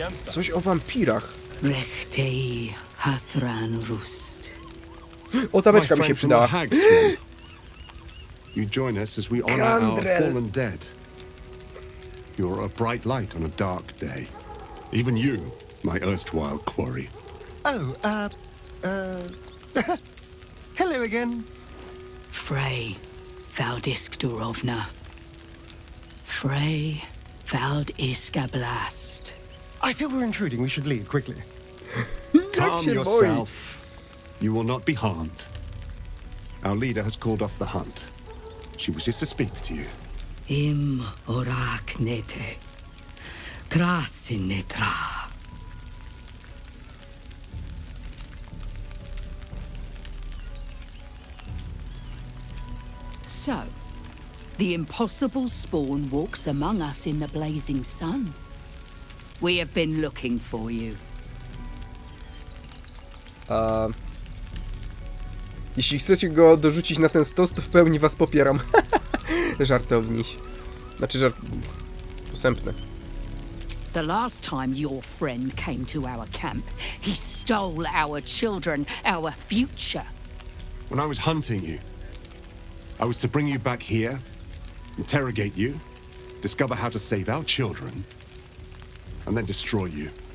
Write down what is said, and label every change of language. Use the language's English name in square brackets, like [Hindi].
[Polish] Coś o wampirach. Rechtej Hathran Rust. O, tabeczka mi się przydała. [English] You join us as we honor our fallen dead. You're a bright light on a dark day. Even you, my erstwhile quarry. Hello again. Frey, Valdisk Durovna. Frey, Valdiska Blast. I feel we're intruding. We should leave quickly. Calm yourself. You will not be harmed. Our leader has called off the hunt. She wishes to speak to you. Im oraknete. Krasinetra. So, the impossible spawn walks among us in the blazing sun. We have been looking for you. [Polish] Jeśli chcecie go dorzucić na ten stos, to w pełni was popieram. Żartowniś. Znaczy żart... posępny. [English] The last time your friend came to our camp, he stole our children, our future. When I was hunting you, I was to bring you back here, interrogate you, discover how to save our children, and then destroy you.